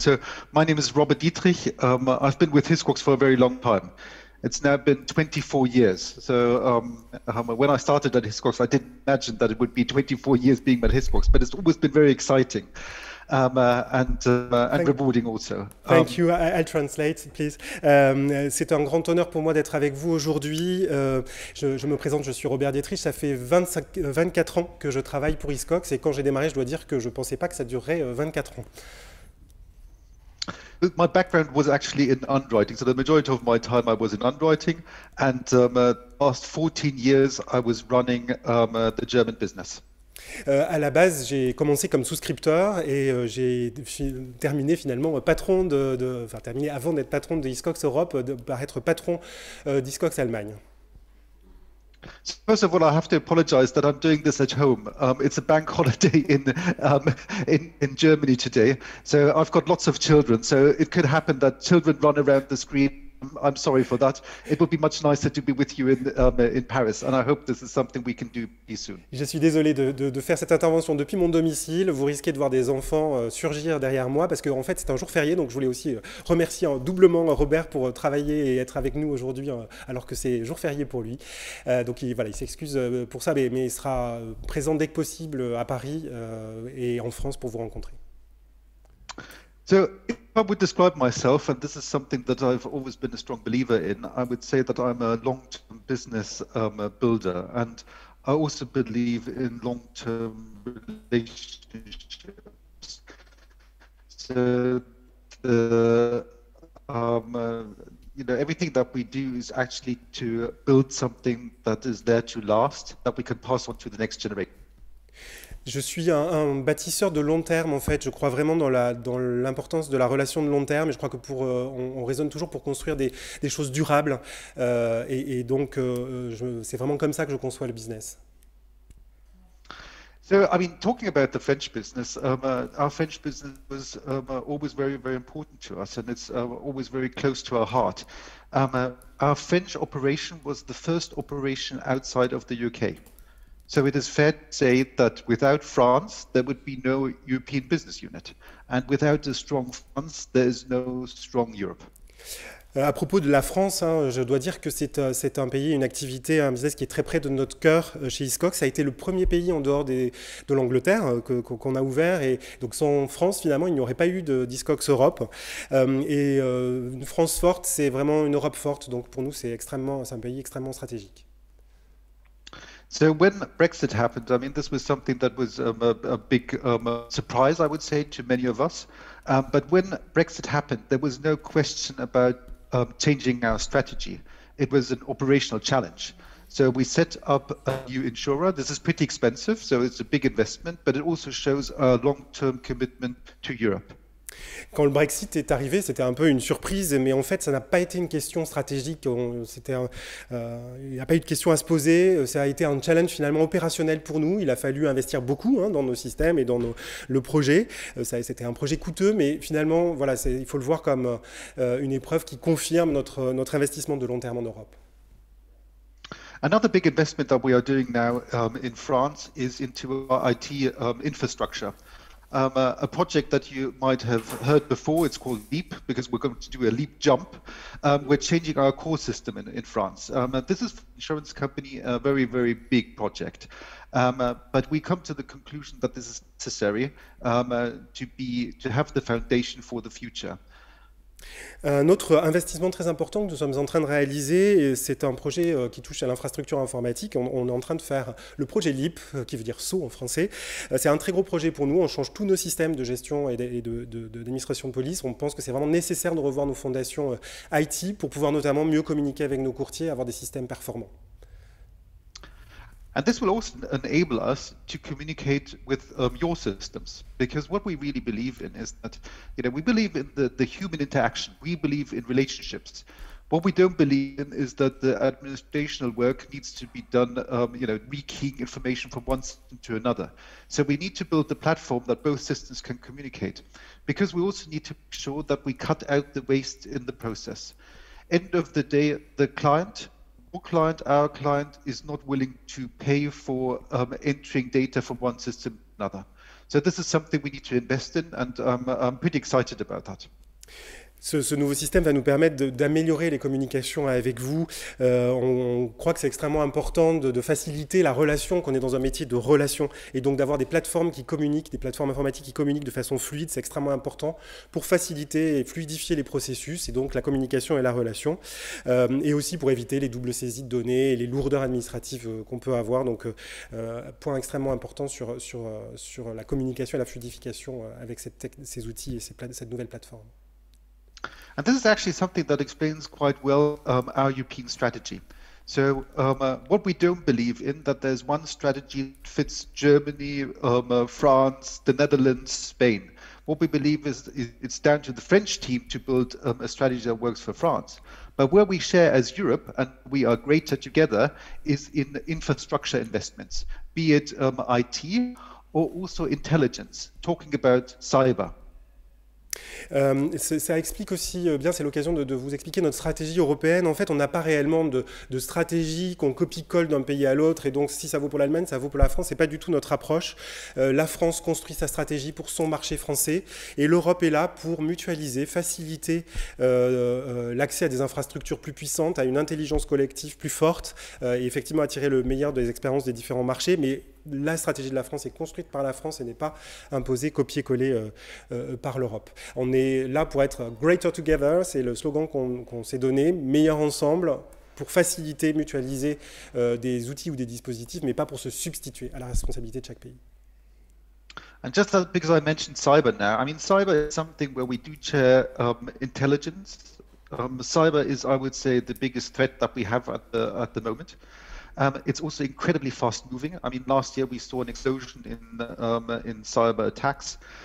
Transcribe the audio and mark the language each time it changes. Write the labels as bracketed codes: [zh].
[en] So my name is Robert Dietrich. I've been with Hiscox for a very long time. It's now been 24 years. So when I started at Hiscox, I didn't imagine that it would be 24 years being at Hiscox, but it's always been very exciting. And rewarding also. Thank you. I'll translate, please. [fr] C'est un grand honneur pour moi d'être avec vous aujourd'hui. Je me présente, je suis Robert Dietrich. Ça fait 24 ans que je travaille pour Hiscox. Et quand j'ai démarré, je dois dire que je ne pensais pas que ça durerait 24 ans. [en] My background was actually in underwriting. So the majority of my time I was in underwriting. And the last 14 years I was running the German business. [fr] À la base, j'ai commencé comme souscripteur et j'ai terminé finalement patron terminé avant d'être patron de Hiscox Europe, par être patron d'Hiscox Allemagne. [en] First of all, I have to apologize that I'm doing this at home. It's a bank holiday in Germany today, so I've got lots of children. So it could happen that children run around the screen. I'm sorry for that. It would be much nicer to be with you in Paris, and I hope this is something we can do pretty soon. [fr] Je suis désolé de faire cette intervention depuis mon domicile. Vous risquez de voir des enfants surgir derrière moi parce que en fait c'est un jour férié, donc je voulais aussi remercier doublement Robert pour travailler et être avec nous aujourd'hui alors que c'est jour férié pour lui. Il s'excuse pour ça, mais il sera présent dès que possible à Paris et en France pour vous rencontrer. [en] So if I would describe myself, and this is something that I've always been a strong believer in, I would say that I'm a long-term business builder, and I also believe in long-term relationships. So, everything that we do is actually to build something that is there to last, that we can pass on to the next generation. [fr] Je suis un bâtisseur de long terme, en fait. Je crois vraiment dans l'importance de la relation de long terme. Et je crois que on raisonne toujours pour construire des choses durables. C'est vraiment comme ça que je conçois le business. [en] So, I mean, talking about the French business, our French business was always very, very important to us, and it's always very close to our heart. Our French operation was the first operation outside of the UK. So it is fair to say that without France, there would be no European business unit. And without a strong France, there is no strong Europe. [fr] À propos de la France, hein, je dois dire que c'est un pays, une activité, un business qui est très près de notre cœur chez Hiscox. Ça a été le premier pays en dehors de l'Angleterre qu'on a ouvert. Et donc sans France, finalement, il n'y aurait pas eu d'Hiscox Europe. Une France forte, c'est vraiment une Europe forte. Donc pour nous, c'est un pays extrêmement stratégique. [en] So when Brexit happened, I mean, this was something that was a big surprise, I would say, to many of us. But when Brexit happened, there was no question about changing our strategy. It was an operational challenge. So we set up a new insurer. This is pretty expensive, so it's a big investment, but it also shows a long-term commitment to Europe. [fr] Quand le Brexit est arrivé, c'était un peu une surprise, mais en fait, ça n'a pas été une question stratégique. Il n'y a pas eu de question à se poser. Ça a été un challenge finalement opérationnel pour nous. Il a fallu investir beaucoup hein, dans nos systèmes et dans le projet. C'était un projet coûteux, mais finalement, voilà, il faut le voir comme une épreuve qui confirme notre investissement de long terme en Europe. [en] Another big investment that we are doing now in France is into our IT infrastructure. A project that you might have heard before. It's called LEAP, because we're going to do a LEAP jump. We're changing our core system in France. This is for insurance company, a very, very big project. But we come to the conclusion that this is necessary to have the foundation for the future. [fr] Un autre investissement très important que nous sommes en train de réaliser, c'est un projet qui touche à l'infrastructure informatique. On est en train de faire le projet LEAP, qui veut dire saut en français. C'est un très gros projet pour nous. On change tous nos systèmes de gestion et d'administration de police. On pense que c'est vraiment nécessaire de revoir nos fondations IT pour pouvoir notamment mieux communiquer avec nos courtiers et avoir des systèmes performants. [en] And this will also enable us to communicate with your systems, because what we really believe in is that, you know, we believe in the human interaction. We believe in relationships. What we don't believe in is that the administrational work needs to be done, you know, rekeying information from one system to another. So we need to build the platform that both systems can communicate, because we also need to make sure that we cut out the waste in the process. End of the day, the client, our client is not willing to pay for entering data from one system to another. So this is something we need to invest in, and I'm pretty excited about that. [fr] Ce nouveau système va nous permettre d'améliorer les communications avec vous. On croit que c'est extrêmement important de faciliter la relation, qu'on est dans un métier de relation, et donc d'avoir des plateformes qui communiquent, des plateformes informatiques qui communiquent de façon fluide. C'est extrêmement important pour faciliter et fluidifier les processus, et donc la communication et la relation, et aussi pour éviter les doubles saisies de données et les lourdeurs administratives qu'on peut avoir. Donc, point extrêmement important sur la communication et la fluidification avec ces outils et cette nouvelle plateforme. [en] And this is actually something that explains quite well our European strategy. So what we don't believe in, that there's one strategy that fits Germany, France, the Netherlands, Spain. What we believe is it's down to the French team to build a strategy that works for France. But where we share as Europe, and we are greater together, is in infrastructure investments, be it IT or also intelligence, talking about cyber. [fr] Ça explique aussi bien, c'est l'occasion de vous expliquer notre stratégie européenne. En fait, on n'a pas réellement de stratégie qu'on copie-colle d'un pays à l'autre, et donc si ça vaut pour l'Allemagne, ça vaut pour la France. C'est pas du tout notre approche. La France construit sa stratégie pour son marché français, et l'Europe est là pour mutualiser, faciliter l'accès à des infrastructures plus puissantes, à une intelligence collective plus forte, et effectivement attirer le meilleur des expériences des différents marchés. Mais la stratégie de la France est construite par la France et n'est pas imposée, copier-coller par l'Europe. On est là pour être « [en] greater together [fr] », c'est le slogan qu'on s'est donné, « meilleur ensemble », pour faciliter, mutualiser des outils ou des dispositifs, mais pas pour se substituer à la responsabilité de chaque pays. [en] And just that, because I mentioned cyber now, I mean, cyber is something where we do share intelligence. Cyber is, I would say, the biggest threat that we have at the moment. It's also incredibly fast moving. I mean, last year we saw an explosion in cyber attacks.